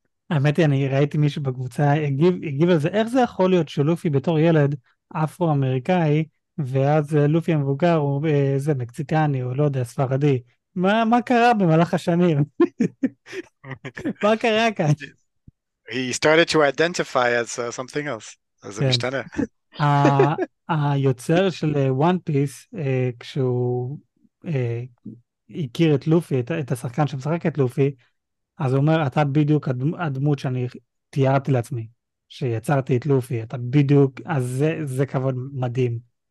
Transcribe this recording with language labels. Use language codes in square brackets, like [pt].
[he] האמת היא, אני ראיתי מישהו בקבוצה, הגיב על זה, איך זה יכול להיות שלופי בתור ילד אפרו-אמריקאי, ואז לופי המבוגר הוא איזה מקסיקני או לא יודע, ספרדי. מה קרה במהלך השנים? מה קרה כאן? [en] He started to identify as something else. [he] אז זה משתנה. היוצר של וואן פיס, כשהוא הכיר את לופי, את השחקן שמשחק את לופי, אז הוא אומר, אתה בדיוק הדמות שאני תיארתי לעצמי, שיצרתי את לופי, אתה בדיוק, אז זה כבוד מדהים.